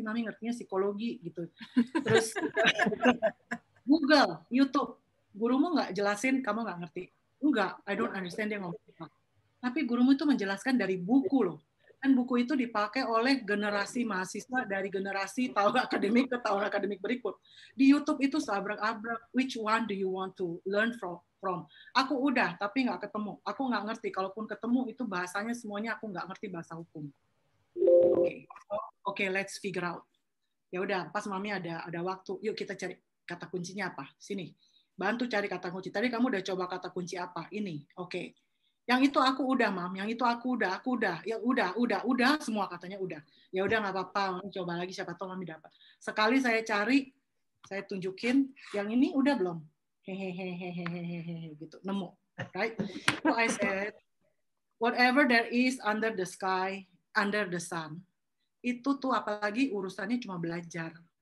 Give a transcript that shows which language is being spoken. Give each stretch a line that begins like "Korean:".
Indonesian: Mami ngertinya psikologi gitu. Terus Google, YouTube. Gurumu nggak jelasin, kamu nggak ngerti. Enggak, I don't understand dia ngomong apa. Tapi gurumu itu menjelaskan dari buku loh. Dan buku itu dipakai oleh generasi mahasiswa dari generasi tahun akademik ke tahun akademik berikut.
English: Di YouTube itu sabrak-abrak, which one do you want to learn from?
Indonesian: Aku udah, tapi nggak ketemu. Aku nggak ngerti. Kalaupun ketemu, itu bahasanya semuanya aku nggak ngerti bahasa hukum. Okay, let's figure out. Ya udah, pas Mami ada waktu, yuk kita cari kata kuncinya apa. Sini. Bantu cari kata kunci. Tadi kamu udah coba kata kunci apa? Ini. Oke. Okay. Yang itu aku udah, Mam. Yang itu aku udah. Ya udah semua katanya udah. Ya udah enggak apa-apa, Mami coba lagi siapa tahu Mami dapat. Sekali saya cari, saya tunjukin, yang ini udah belum? Hehehehehehehe gitu. Nemu.
English: Right? So I said, whatever there is under the sky, under the sun.
Indonesian: Itu tuh apalagi urusannya cuma belajar.